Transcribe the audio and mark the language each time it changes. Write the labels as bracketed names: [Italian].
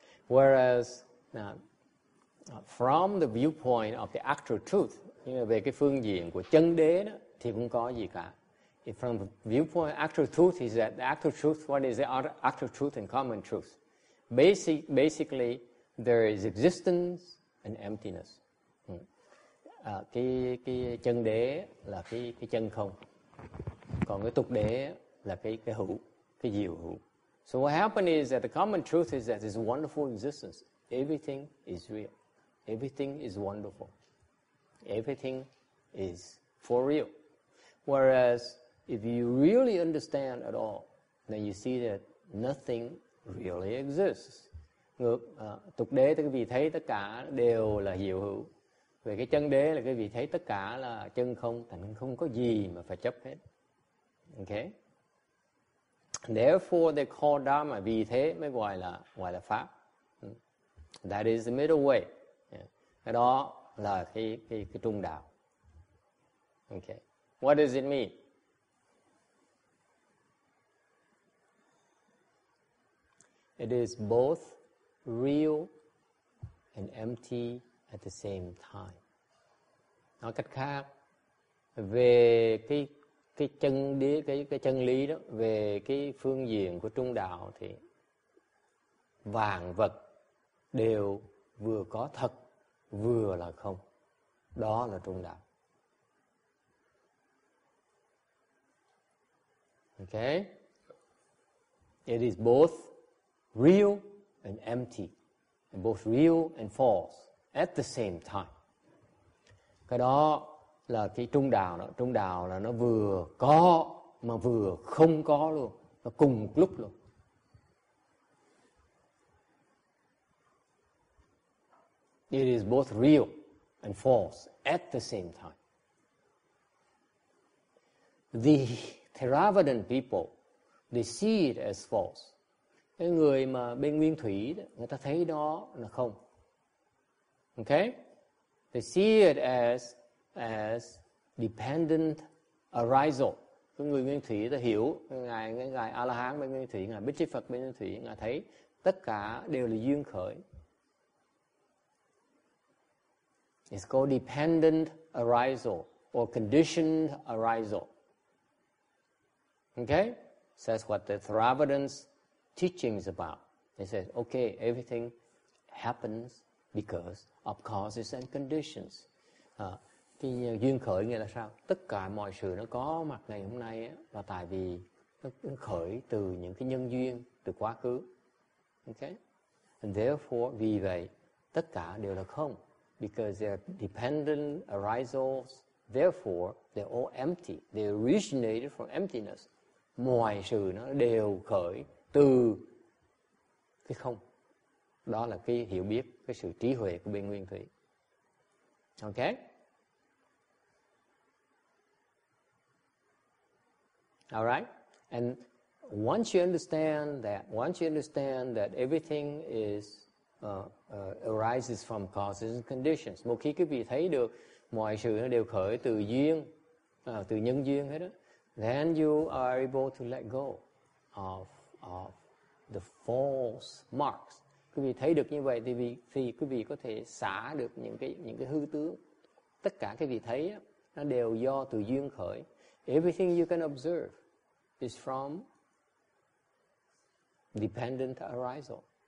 [English] Whereas from the viewpoint of the actual truth, [Vietnamese] như là về cái phương diện của chân đế đó, thì không có gì cả. [English] from the viewpoint, actual truth is that the actual truth, what is the actual truth and common truth? Basically, there is existence and emptiness. [Vietnamese] Cái chân đế là cái chân không. Còn cái tục đế là cái hữu, cái diệu hữu. [English] So what happened is that the common truth is that there's wonderful existence. Everything is real. Everything is wonderful. Everything is for real. Whereas if you really understand at all, then you see that nothing really exists. [Vietnamese] Ngược, tục đế tức vì thấy tất cả đều là diệu hữu. Về cái chân đế là cái vị thấy tất cả là chân không, thành không có gì mà phải chấp hết. Okay? [English] Therefore they call Dharma, [Vietnamese] vì thế mới gọi là Pháp. [English] That is the middle way. [Vietnamese] Cái đó là cái trung đạo. [English] Okay. What does it mean? It is both real and empty at the same time. [Vietnamese] Nói cách khác, về cái chân đế, cái chân lý đó, về cái phương diện của trung đạo thì vạn vật đều vừa có thật vừa là không. Đó là trung đạo. [English] Okay? It is both real and empty, and both real and false at the same time. [Vietnamese] Cái đó là cái trung đạo đó. Trung đạo là nó vừa có mà vừa không có luôn. Nó cùng một lúc luôn. [English] It is both real and false at the same time. The Theravadan people, they see it as false. [Vietnamese] Cái người mà bên nguyên thủy, người ta thấy đó là không. Okay? [English] They see it as dependent arisal. [Vietnamese] Cái người nguyên thủy ta hiểu, ngài A La Hán bên nguyên thủy, ngài Bích Chi Phật bên nguyên thủy, ngài thấy tất cả đều là duyên khởi. [English] It's called dependent arisal or conditioned arisal. Okay? So that's what the Theravadan's teaching is about. They said, okay, everything happens because of causes and conditions. [Vietnamese] Duyên khởi nghĩa là sao? Tất cả mọi sự nó có mặt ngày hôm nay là tại vì nó khởi từ những cái nhân duyên từ quá khứ. Okay? [English] And therefore, [Vietnamese] vì vậy, tất cả đều là không. [English] Because they are dependent arisals. Therefore, they're all empty. They originated from emptiness. [Vietnamese] Mọi sự nó đều khởi từ cái không. Đó là cái hiểu biết, cái sự trí huệ của bên nguyên thủy. [English] Okay? All right? And once you understand that everything is arises from causes and conditions. [Vietnamese] Một khi quý vị thấy được mọi sự nó đều khởi từ duyên, từ nhân duyên hết đó, [English] then you are able to let go of the false marks. [Vietnamese] Quý vị thấy được như vậy thì quý vị có thể xả được những cái hư tướng. Tất cả cái gì thấy đó, nó đều do từ duyên khởi. [English] Everything you can observe is from dependent arisal.